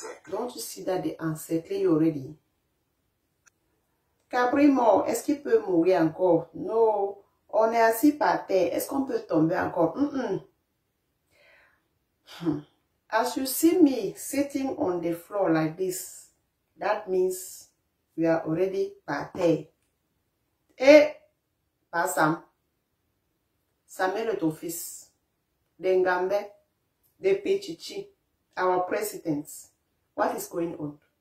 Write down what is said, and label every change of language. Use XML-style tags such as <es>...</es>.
<en>Don't you see that they encircle you already?</en> <fr>Capri mort, est-ce qu'il peut mourir encore? No, on est assis par terre, est-ce qu'on peut tomber encore?</fr> <en>As you see me sitting on the floor like this, that means we are already</en> <fr>par terre. Eh, pas Sam. Sam est ton fils.</fr> <en>Dengambe, de Pichichi, our president. What is going on?</en>